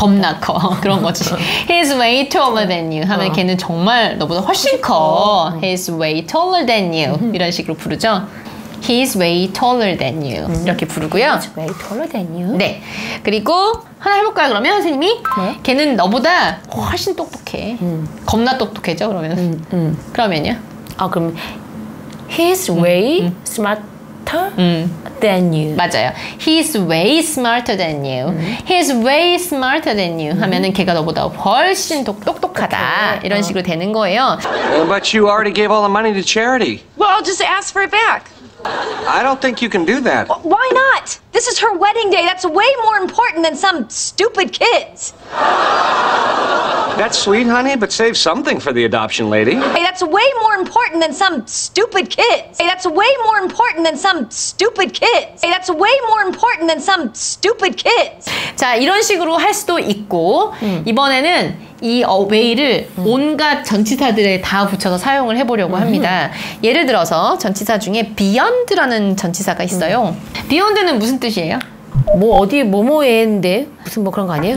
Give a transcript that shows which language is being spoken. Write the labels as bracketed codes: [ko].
[ko] 겁나 커 그런 거지. [en] He is way taller than you [ko] 하면 걔는 정말 너보다 훨씬 커. [en] He is way taller than you [ko] 이런 식으로 부르죠. [en] He is way taller than you [ko] 이렇게 부르고요. [en] He is way taller than you. [ko] 네. 그리고 하나 해볼까요 그러면 선생님이? 네. 걔는 너보다 훨씬 똑똑해. 겁나 똑똑해죠 그러면. 그러면요? 아 그럼 [en] He is way smarter than you. [ko] 맞아요. [en] He is way smarter than you. He is way smarter than you [ko] 하면은 걔가 너보다 훨씬 똑똑하다 이런 식으로 되는 거예요. [en] But you already gave all the money to charity. Well, I'll just ask for it back. I don't think you can do that. Why not? This is her wedding day. That's way more important than some stupid kids. That's sweet, honey, but save something for the adoption lady. Hey, that's way more important than some stupid kids. Hey, that's way more important than some stupid kids. Hey, that's way more important than some stupid kids. [ko] 자, 이런 식으로 할 수도 있고 이번에는 이 away를 온갖 전치사들에 다 붙여서 사용을 해보려고 합니다. 예를 들어서 전치사 중에 beyond라는 전치사가 있어요. beyond는 무슨 뜻이에요? 뭐 어디 뭐뭐에인데 무슨 뭐 그런 거 아니에요?